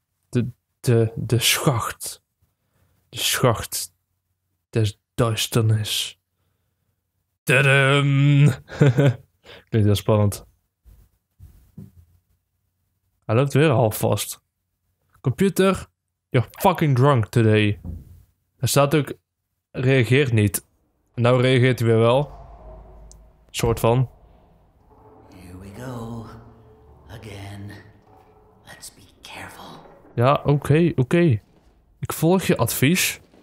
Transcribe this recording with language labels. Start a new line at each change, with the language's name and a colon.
Dutch: De schacht. De schacht des duisternis. Tadam! Klinkt heel spannend. Hij loopt weer half vast.
English: Computer, you're fucking drunk today.
Dutch: Hij staat ook, reageert niet. Nou reageert hij weer wel. Soort van.
English: Here we go. Again. Let's be careful.
Dutch: Ja, oké. Ik volg je advies.